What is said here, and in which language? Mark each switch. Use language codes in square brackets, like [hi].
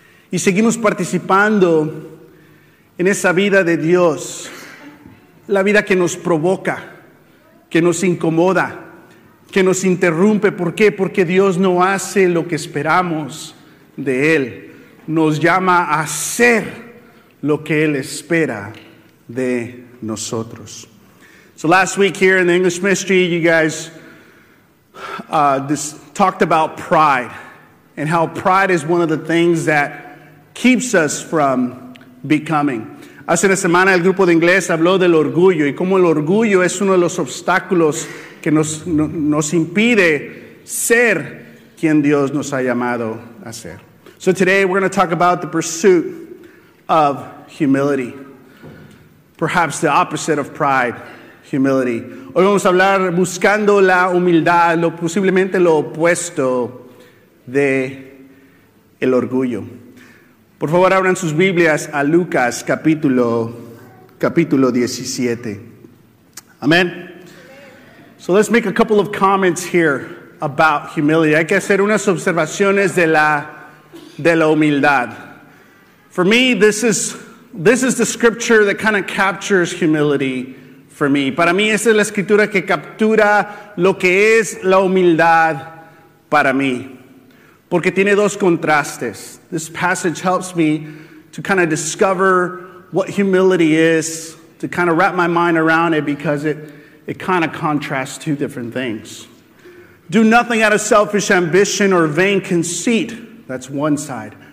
[es] Y seguimos participando en esa vida de Dios, la vida que nos provoca, que nos incomoda, que nos interrumpe. ¿Por qué? Porque Dios no hace lo que esperamos de él. Nos llama a ser lo que Él espera de nosotros. [en] So last week here in the English Ministry, you guys just talked about pride and how pride is one of the things that keeps us from becoming. [es] Hace una semana el grupo de inglés habló del orgullo y cómo el orgullo es uno de los obstáculos que nos impide ser quien Dios nos ha llamado a ser. [en] So today we're going to talk about the pursuit of humility. Perhaps the opposite of pride, humility. [es] Hoy vamos a hablar buscando la humildad, lo posiblemente lo opuesto de el orgullo. Por favor, abran sus Biblias a Lucas capítulo 17. [en] Amen. So let's make a couple of comments here about humility. [es] Hay que hacer unas observaciones de la humildad. [en] For me, this is the scripture that kind of captures humility for me. [es] Para mí, esta es la escritura que captura lo que es la humildad para mí. Porque tiene dos contrastes. [en] This passage helps me to kind of discover what humility is, to kind of wrap my mind around it because it kind of contrasts two different things. Do nothing out of selfish ambition or vain conceit. That's one side.